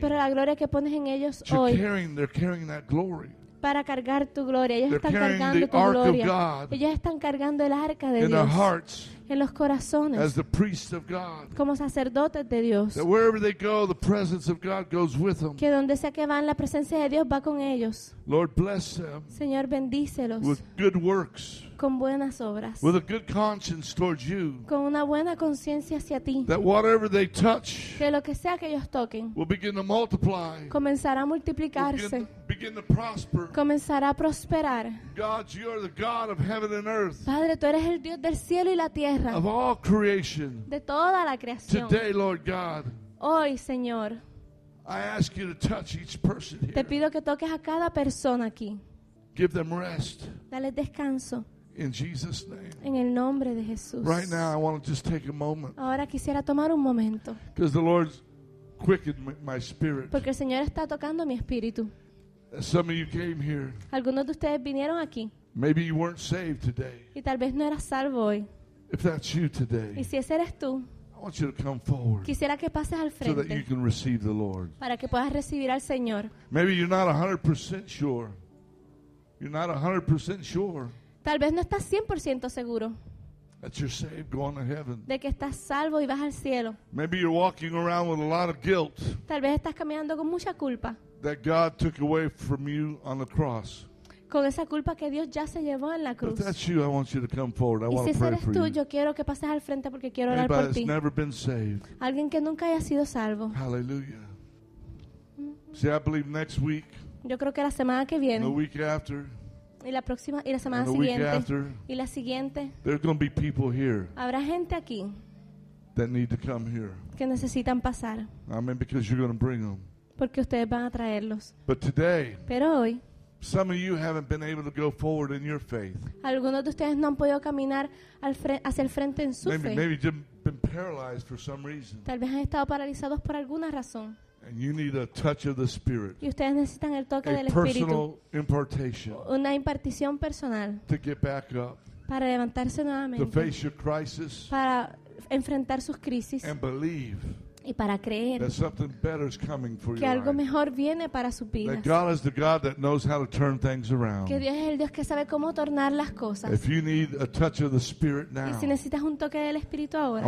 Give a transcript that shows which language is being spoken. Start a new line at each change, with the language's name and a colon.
Spanish: Pero la gloria que pones en ellos
English: you're
Spanish: hoy.
English: They're carrying that glory.
Spanish: Para cargar tu gloria. Ellos
English: they're
Spanish: están
English: carrying
Spanish: cargando
English: the
Spanish: tu
English: ark
Spanish: gloria.
English: Of God
Spanish: ellos están cargando el arca de
English: in
Spanish: Dios.
English: Their hearts.
Spanish: en los corazones,
English: as the priests of God,
Spanish: como sacerdotes de Dios,
English: that wherever they go, the presence of God goes with them.
Spanish: Que donde sea que van, la presencia de Dios va con ellos.
English: Lord, bless them.
Spanish: Señor, bendícelos.
English: With good works.
Spanish: Con buenas obras.
English: With a good conscience towards you.
Spanish: Con una buena conciencia hacia ti.
English: That whatever they touch,
Spanish: que lo que sea que ellos toquen,
English: will begin to multiply.
Spanish: Comenzará a multiplicarse.
English: Begin to prosper.
Spanish: Comenzará a prosperar.
English: God, you are the God of heaven and earth.
Spanish: Padre, tú eres el Dios del cielo y la tierra.
English: Of all creation.
Spanish: De toda la creación.
English: Today, Lord God.
Spanish: Hoy, Señor.
English: I ask you to touch each person here.
Spanish: Te pido que toques a cada persona aquí.
English: Give them rest.
Spanish: Dale descanso.
English: In Jesus' name.
Spanish: En el nombre de Jesús.
English: Right now, I want to just take a moment.
Spanish: Ahora quisiera tomar un momento.
English: Because the Lord's quickened my spirit.
Spanish: Porque el Señor está tocando mi espíritu.
English: Some of you came here.
Spanish: Algunos de ustedes vinieron aquí.
English: Maybe you weren't saved today.
Spanish: Y tal vez no eras salvo hoy.
English: If that's you today.
Spanish: Y si ese eres tú.
English: I want you to come forward.
Spanish: Quisiera que pases al frente.
English: So that you can receive the Lord.
Spanish: Para que puedas recibir al Señor.
English: Maybe you're not 100% sure. You're not 100% sure.
Spanish: Tal vez no estás 100% seguro.
English: That you're saved, going to heaven.
Spanish: De que estás salvo y vas al cielo.
English: Maybe you're walking around with a lot of guilt.
Spanish: Tal vez estás caminando con mucha culpa.
English: That God took away from you on the cross.
Spanish: Con esa culpa que Dios ya se llevó en la cruz.
English: If that's you, I want you to come forward. I want to pray for
Spanish: tú,
English: you.
Spanish: Yo quiero que pases al frente porque quiero orar por ti.
English: Anybody that's never been saved.
Spanish: Alguien que nunca haya sido salvo.
English: Hallelujah. See, I believe next week.
Spanish: Yo creo que la semana que viene.
English: The week after.
Spanish: Y la próxima y la semana
English: and the Week after,
Spanish: y la siguiente.
English: There's going to be people here.
Spanish: Habrá gente aquí.
English: That need to come here.
Spanish: Que necesitan pasar.
English: I mean, because you're going to bring them.
Spanish: Porque ustedes van a traerlos.
English: But today,
Spanish: pero hoy,
English: some of you haven't been able to go forward in your faith.
Spanish: Algunos de ustedes no han podido caminar hacia el frente en su
English: maybe,
Spanish: fe.
English: Maybe you've been paralyzed for some reason.
Spanish: Tal vez han estado paralizados por alguna razón.
English: And you need a touch of the Spirit.
Spanish: Y ustedes necesitan el toque
English: a
Spanish: del Espíritu.
English: Personal impartation.
Spanish: Una impartición personal.
English: To get back up.
Spanish: Para levantarse nuevamente.
English: To face your crisis.
Spanish: Para enfrentar sus crisis.
English: And believe.
Spanish: Y para creer
English: that something better is coming for
Spanish: que algo mejor viene para sus vidas.
English: That God is the God that knows how to turn things around.
Spanish: Que Dios es el Dios que sabe cómo tornar las cosas.
English: If you need a touch of the Spirit now,
Spanish: y si necesitas un toque del Espíritu ahora,